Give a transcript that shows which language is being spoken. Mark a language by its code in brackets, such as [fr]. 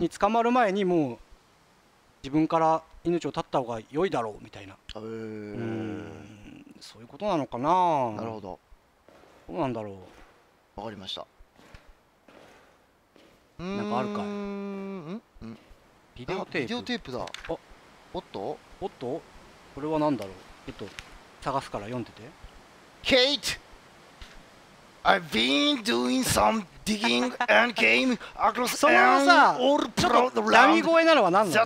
[ja] に捕まる前にもう自分から命を絶った方が良いだろうみたいな、そういうことなのかな、なるほど、どうなんだろう、わかりました、なんかあるか、うん、ビデオテープ、ビデオテープだ、あ、おっとおっと、これはなんだろう、ちょっと探すから読んでて、 [en] ケイト、I've been doing some digging and came across an old plot of land. [ja] そのさ、ちょっと波声なのは何なの？